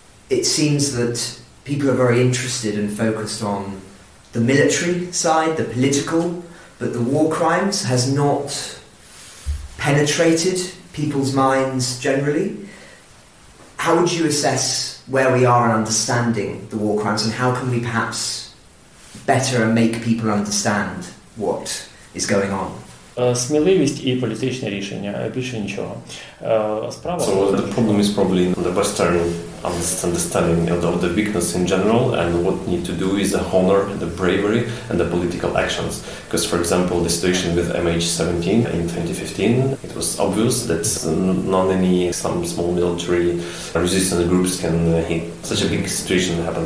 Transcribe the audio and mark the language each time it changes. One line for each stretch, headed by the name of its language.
English: It seems that people are very interested and focused on the military side, the political, but the war crimes has not penetrated people's minds generally. How would you assess where we are in understanding the war crimes, and how can we perhaps better make people understand what is going on?
Ukrainian: Сміливість і політичне рішення, більше нічого.
English: So the problem is probably in the Western understanding of the weakness in general, and what need to do is the honor, the bravery, and the political actions. Because, for example, the situation with MH17 in 2015, it was obvious that not any some small military resistance groups can hit such a big situation happen.